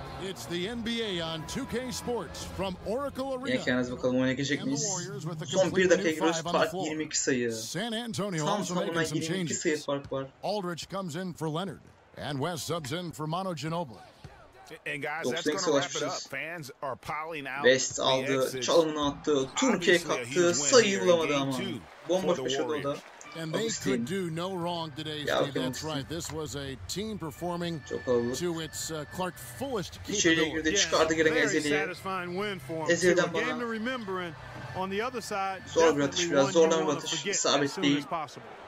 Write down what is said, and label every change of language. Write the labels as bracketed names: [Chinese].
[English] It's the NBA on 2K Sports from Oracle Arena. [Turkish] Yani bakalım oynayacak mıyız? Son 1 dakika giriyoruz, fark 22 sayı. [English] San Antonio also making some changes. Aldridge comes in for Leonard and West subs in for Manu Ginobili. And guys, that's going to wrap it up. Fans are piling out. [Turkish] West aldı, çalımını attı, turnikeye kalktı, sayı bulamadı ama. Bomboş başladı orada. [English] And they could do no wrong today, Steve. That's right. This was a team performing to its Clark fullest capability. Yes, very satisfying win for him. To a game to remember. On the other side, definitely one you want to forget as soon as possible.